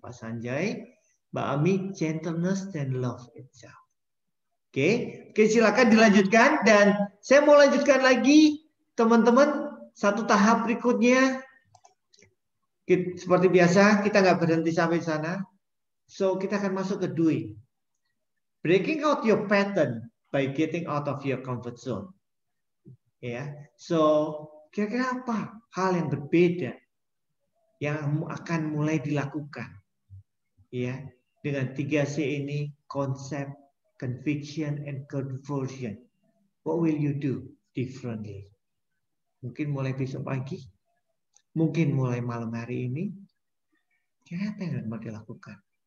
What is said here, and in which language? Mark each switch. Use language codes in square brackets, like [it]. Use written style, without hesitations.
[en] Pak Sanjay, Mbak Ami, gentleness than love itself. [id] Oke, silakan dilanjutkan dan saya mau lanjutkan lagi. Teman-teman, satu tahap berikutnya, seperti biasa, kita nggak berhenti sampai sana. So, kita akan masuk ke doing. [en] Breaking out your pattern by getting out of your comfort zone. Yeah. [id] So, kira-kira apa hal yang berbeda yang akan mulai dilakukan? [en] Yeah. [id] Dengan 3C ini, konsep, [en] conviction, and conversion. What will you do differently? [id] Mungkin mulai besok pagi, mungkin mulai malam hari ini, kira-kira yang mau dilakukan.